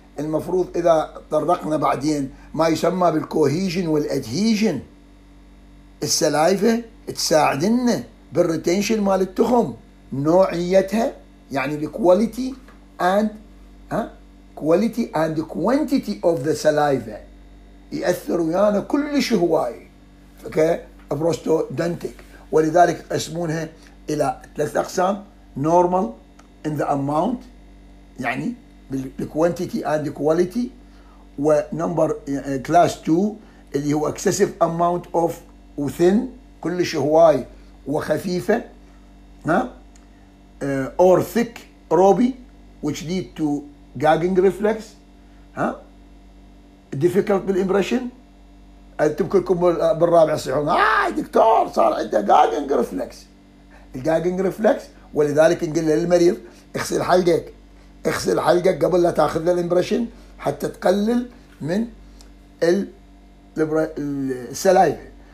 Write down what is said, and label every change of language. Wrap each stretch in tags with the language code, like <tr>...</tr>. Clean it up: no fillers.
<ar>المفروض اذا طرقنا بعدين ما يسمى بالكوهيجن والادهيجن، السلايفة تساعدنا بالريتينشن مال التخم، نوعيتها يعني الكواليتي اند</ar> <en>quality and quantity of the saliva</en> <ar>يأثر ويانا كلش هواي okay prostodontic. ولذلك قسمونها الى ثلاث اقسام:</ar> <en>normal in the amount يعني بالquantity and quality، ونمبر class 2 اللي هو excessive amount of وthin</en> <ar>كلش هواي وخفيفة،</ar> <en>or thick robi which lead to gagging reflex، ها difficult بالimpression.</en> <ar>أنتم كلكم بالرابع صيحون دكتور صار عنده gagging reflex. gagging reflex، ولذلك نقول للمريض اغسل حلقك، اغسل حلقك قبل لا تأخذ الimpression حتى تقلل من السلايفة.</ar>